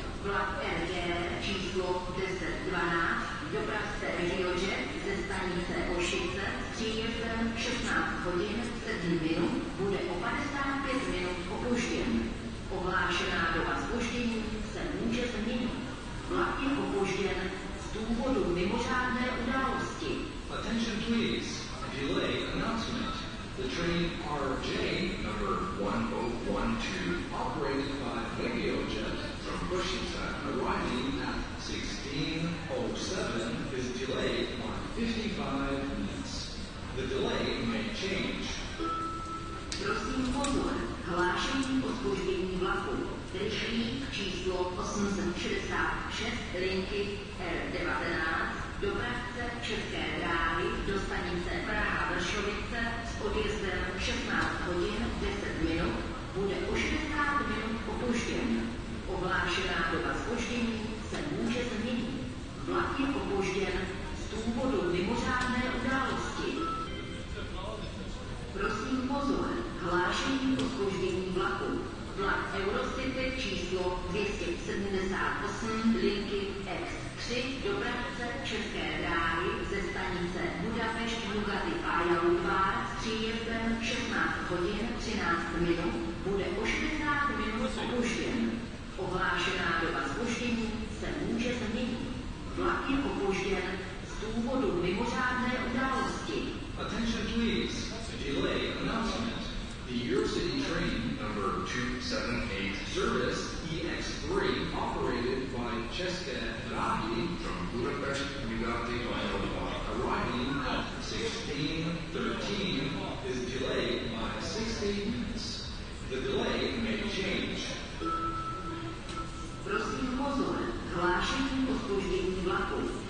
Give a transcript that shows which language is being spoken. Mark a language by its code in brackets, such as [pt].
[cs] Vlak RG číslo 1012, dopravce RioJet ze stanice Ošice s příjezdem 16:07, bude o 55 minut opožděn. Ohlášená doba zpoždění se může změnit. Vlak je opožděn z důvodu mimořádné události. [en] Attention please, delay announcement. The train RJ number 1012, operated by RioJet from Bushita, arriving at 16:07, is delayed by 55 minutes. The delay may change. [cs] Prosím pozor, hlášení o zpoždění vlaku. Rychlík číslo 866 linky R19. Dopravce České dráhy do stanice Praha Vršovice s odjezdem 16:10 bude o 60 minut opožděn. Ohlášená doba zpoždění se může změnit. Vlak je opožděn z důvodu mimořádné události. Prosím pozor, hlášení o zpoždění vlaku. Vlak Eurocity číslo 278 linky X3 dopravce České dráhy ze stanice Budapešť Nugaty Pajalupár s příjezdem 16:13 bude o 60 minut opožděn. Ohlášená doba zpoždění se může změnit. Vlak je opožděn z důvodu mimořádné události. [en] Attention please, delay announcement. The Eurocity train number 278 service EX3 operated by České dráhy from Budapest Nugaty Pajalupár arriving at 16:13 is delayed by 60 minutes. The delay may change. [cs] Prosím pozor, hlášení o zpoždění vlaku.